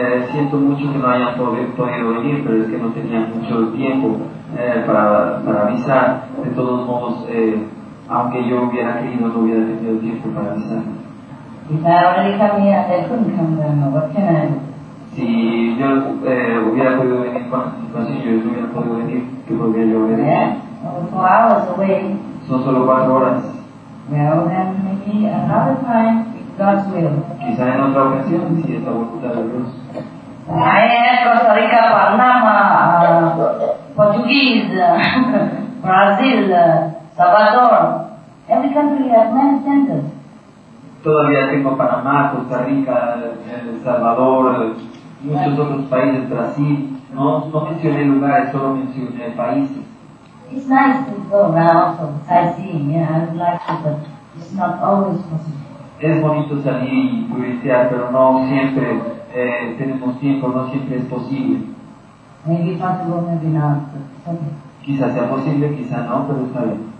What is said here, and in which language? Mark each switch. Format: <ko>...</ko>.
<es>Siento mucho que no hayan podido venir, pero es que no tenían mucho tiempo para avisar. De todos modos, aunque yo hubiera querido, no hubiera tenido tiempo para avisar.</es> <en>If I already come here, they couldn't come then, what can I do?</en> <es>Si yo hubiera podido venir, entonces yo no hubiera podido venir, ¿qué podría yo haber hecho?</es> <en>Oh, 4 hours away.</en> <es>Son solo 4 horas.</es> <en>Well, then maybe another time, if God's will.</en> <es>Quizá en otra ocasión, si es la voluntad de Dios.</es> <en>I am Costa Rica, Panama, Portuguese, Brazil, Salvador. Every country has many centers.</en> <es>Todavía tengo Panamá, Costa Rica, El Salvador, muchos otros países, Brasil. No, no mencioné lugares, solo mencioné países.</es> <en>It's nice to go around for sightseeing, yeah, I would like to, but it's not always possible.</en> <es>Es bonito salir y turistear, pero no siempre tenemos tiempo, no siempre es posible.</es> <en>Maybe possible, maybe not, but it's okay.</en> <es>Quizá sea posible, quizá no, pero está bien.</es>